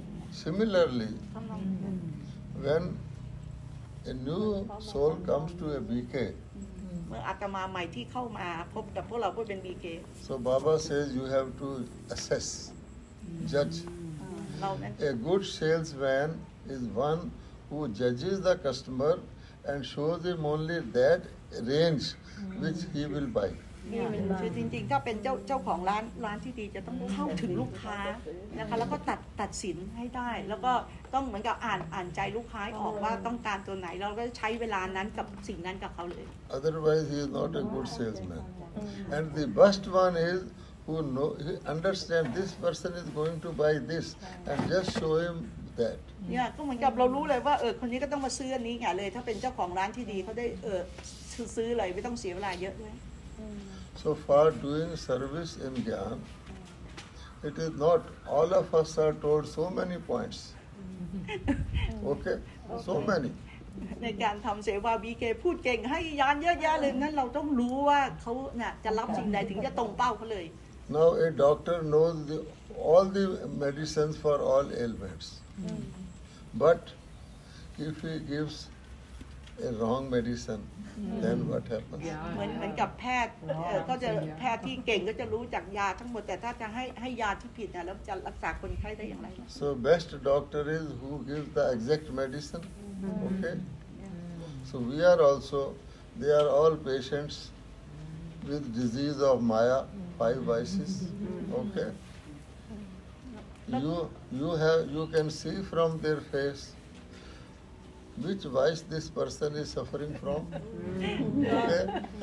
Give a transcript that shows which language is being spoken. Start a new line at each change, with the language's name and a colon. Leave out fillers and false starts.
English: Similarly, when a new soul comes to a BK,
Thai: อาตมาใหม่ที่เข้ามาพบกับพวกเราพูดเป็น BK.
English: So Baba says you have to assess, judge. A good salesman is one who judges the customer and shows him only that range which he will buy.
Thai: จริงๆถ้าเป็นเจ้าของร้านที่ดีจะต้องเข้าถึงลูกค้านะคะแล้วก็ตัดสินให้ได้แล้วก็ต้องเหมือนกับอ่านใจลูกค้าออกว่าต้องการตัวไหนแล้วก็ใช้เวลานั้นกับสิ่งนั้นกับเขาเลย
English: Otherwise he is not a good salesman. And the best one isWho know he understand this person is going to buy this and just show him that.
Thai: Yeah, ก็เหมือนกับเรารู้เลยว่าคนนี้ก็ต้องมาซื้ออันนี้ไงเลยถ้าเป็นเจ้าของร้านที่ดีเขาได้ซื้อเลยไม่ต้องเสียเวลาเยอะเลย
English: So far doing service in Gyan, it is not all of us are told so many points. Okay, so many.
Thai: ในการทำเสวาบีเกพูดเก่งให้ยานเยอะแยะเลยนั้นเราต้องรู้ว่าเขาเนี่ยจะรับสิ่งใดถึงจะตรงเป้าเขาเลย
English: Now a doctor knows all the medicines for all ailments but if he gives a wrong medicine then what happens
Thai: เหมือนกับแพทย์ก็จะแพทย์ที่เก่งก็จะรู้จักยาทั้งหมดแต่ถ้าจะให้ยาที่ผิดเนี่ยแล้วจะรักษาคนไข้ได้อย่างไร
English: So best doctor is who gives the exact medicineOkay, so we are also, they are all patients with disease of Maya, five vices, okay? You can see from their face which vice this person is suffering from, okay?